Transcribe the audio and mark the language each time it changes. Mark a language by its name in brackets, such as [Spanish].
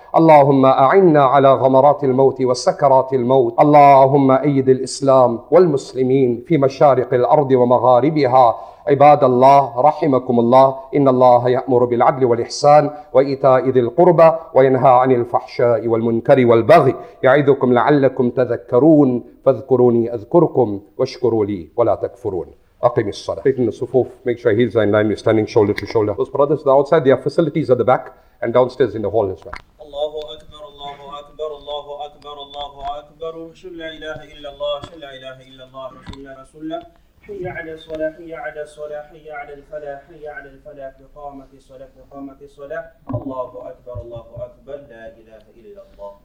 [Arabic] اللهم أعنا على غمرات الموت وسكرات الموت اللهم أيد الإسلام والمسلمين في مشارق الأرض ومغاربها عباد الله رحمكم الله إن الله يأمر بالعدل والإحسان وإيتاء ذي القربى وينهى عن الفحشاء والمنكر والبغي يعظكم لعلكم تذكرون فاذكروني أذكركم واشكروا لي ولا تكفرون أقم الصلاة. [English] Sit in the صفوف. Make sure heels are in line. You're standing shoulder to shoulder. Those brothers are outside. There are facilities at the back and downstairs in the hall as well. [Arabic] الله أكبر الله أكبر الله أكبر الله أكبر لا إله إلا الله لا إله إلا الله رسول الله حي على الصلاة حي على الصلاة حي على الفلاح حي على الفلاح إقامة الصلاة إقامة الصلاة الله أكبر الله أكبر لا إله إلا الله.